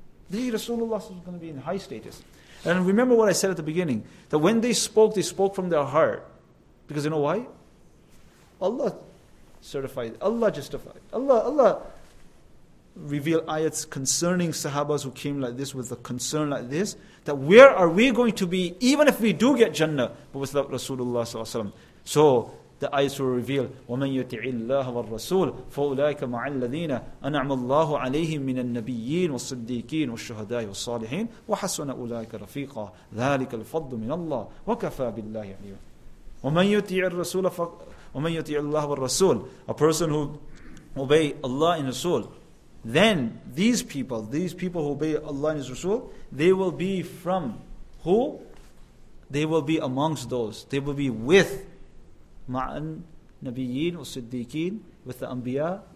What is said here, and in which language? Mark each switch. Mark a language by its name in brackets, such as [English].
[English] The Rasulullah is going to be in high status. And remember what I said at the beginning, that when they spoke from their heart. Because you know why? Allah certified, Allah justified, Allah reveal ayats concerning sahabas who came like this with a concern like this, that where are we going to be even if we do get Jannah but without Rasulullah sallallahu alaihi wasallam? So the ayats will reveal, [Arabic] وَمَنْ يُتِعِ اللَّهَ وَالرَّسُولَ فَأُولَٰئِكَ مَعَ الَّذِينَ أَنَعْمَ اللَّهُ عَلَيْهِمْ مِنَ النَّبِيِّينَ وَالصِّدِّيقِينَ وَالشُّهَدَاءِ وَالصَّالِحِينَ وَحَسُنَ أُولَٰئِكَ رَفِيقًا ذَلِكَ الْفَضْلُ مِنَ اللَّهِ وَكَفَى بِاللَّهِ عَلِيمًا. وَمَنْ يُتِعِ اللَّهَ وَالرَّسُولَ, [English] a person who obey Allah and Rasul, then these people who obey Allah and His Rasul, they will be from who? They will be amongst those. They will be with [Arabic] ma'an nabiyyin wa siddiqeen, [English] with the anbiya.